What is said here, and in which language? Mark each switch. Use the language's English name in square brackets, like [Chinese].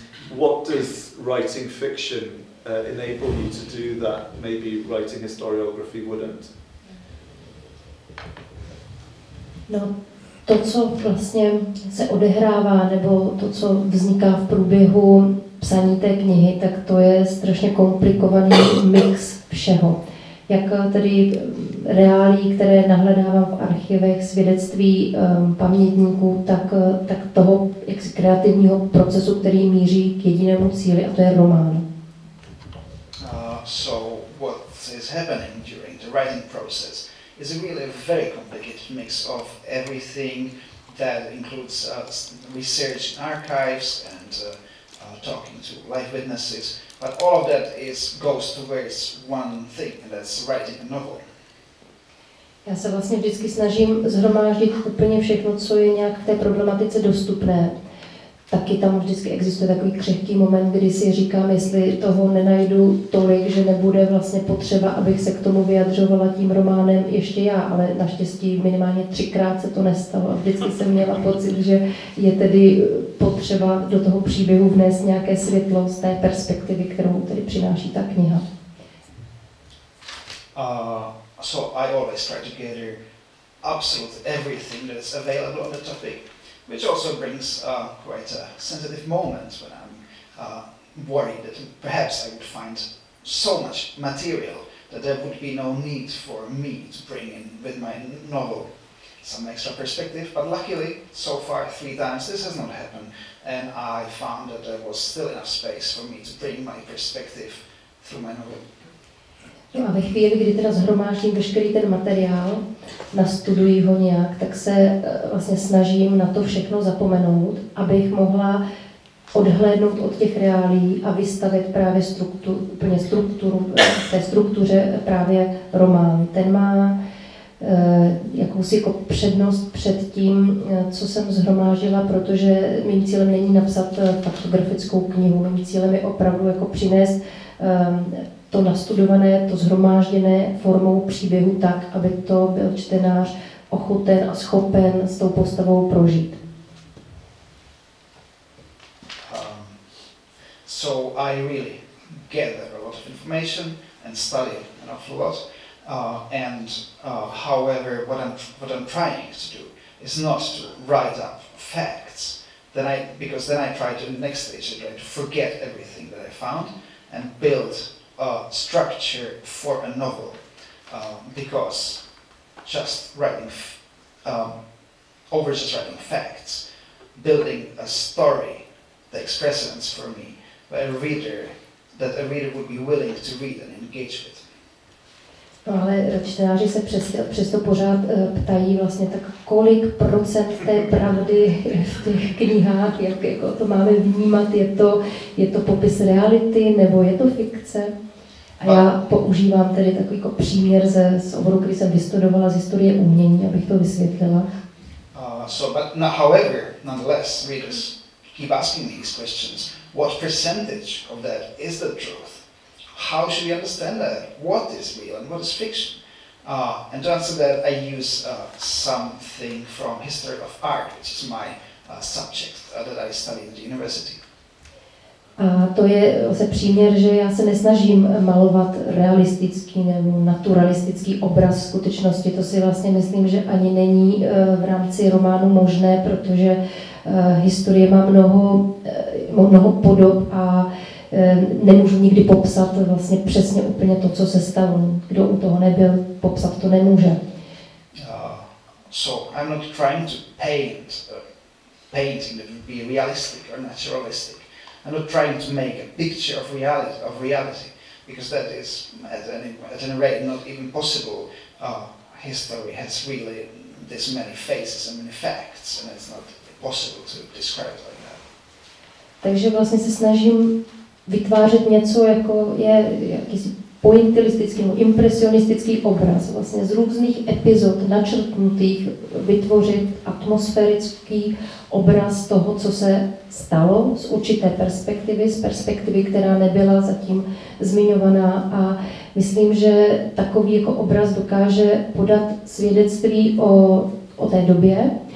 [English] What does writing fiction enable you to do that maybe writing historiography wouldn't? [Czech] No, to, co vlastně se odehrává, nebo to, co vzniká v průběhu psaní té knihy, tak to je strašně komplikovaný mix všeho. Jak tedy reálí, které nahledávám v archivech, svědectví pamětníků, tak toho kreativního procesu, který míří k jedinému cíli, a to je román. [English] So what is happening during the writing process is really a very complicated mix of everything that includes research in archives and talking to live witnesses. But all of that goes towards one thing, and that's writing a novel. [Czech] Já se vlastně vždycky snažím zhromáždit úplně všechno, co je nějak v té problematice dostupné. Taky tam vždycky existuje takový křehký moment, kdy si říkám, jestli toho nenajdu tolik, že nebude vlastně potřeba, abych se k tomu vyjadřovala tím románem ještě já, ale naštěstí minimálně třikrát se to nestalo. Vždycky jsem měla pocit, že je tedy potřeba do toho příběhu vnést nějaké světlo z té perspektivy, kterou tedy přináší ta kniha. [English] So I always try to gather absolutely everything that is available on the topic, which also brings quite a sensitive moment when I'm worried that perhaps I would find so much material that there would be no need for me to bring in with my novel some extra perspective. But luckily, so far, 3 times this has not happened, and I found that there was still enough space for me to bring my perspective through my novel. [Czech] No a ve chvíli, kdy teda zhromáždím veškerý ten materiál, nastuduji ho nějak, tak se vlastně snažím na to všechno zapomenout, abych mohla odhlédnout od těch reálií a vystavit právě struktuře právě román. Ten má jakousi jako přednost před tím, co jsem zhromáždila, protože mým cílem není napsat faktografickou knihu, mým cílem je opravdu jako přinést to nastudované, to zhromážděné formou příběhu tak, aby to byl čtenář ochoten a schopen s tou postavou prožít. [English] So I really gather a lot of information and study an awful lot. However, what I'm trying to do is not to write up facts, because then I try to, in the next stage, I try to forget everything that I found and build a structure for a novel, because just writing just writing facts, building a story takes precedence for me, but a reader would be willing to read and engage with. [Czech] No, ale čtenáři se přesto pořád ptají vlastně, tak kolik procent té pravdy v těch knihách, jak jako to máme vnímat, je to popis reality nebo je to fikce? A já používám tedy takový jako příměr z oboru, který jsem vystudovala z historie umění, abych to vysvětlila. [English] However, nonetheless, readers keep asking these questions. What percentage of that is the truth? How should we understand that? What is real and what is fiction? And to answer that, I use something from history of art, which is my subject that I study at the university. [Czech] A to je se příměr, že já se nesnažím malovat realistický nebo naturalistický obraz skutečnosti. To si vlastně myslím, že ani není v rámci románu možné, protože historie má mnoho podob a nemůžu nikdy popsat vlastně přesně úplně to, co se stalo. Kdo u toho nebyl, popsat to nemůže. [English] So I'm not trying to paint painting that would be realistic or naturalistic. I'm not trying to make a picture of reality, because that is at any rate not even possible. History has really this many faces and many facts, and it's not possible to describe it like that. [Czech] Takže vlastně se snažím vytvářet něco jako je jakýsi pointilistický nebo impresionistický obraz, vlastně z různých epizod načrtnutých vytvořit atmosférický obraz toho, co se stalo z určité perspektivy, z perspektivy, která nebyla zatím zmiňovaná, a myslím, že takový jako obraz dokáže podat svědectví o té době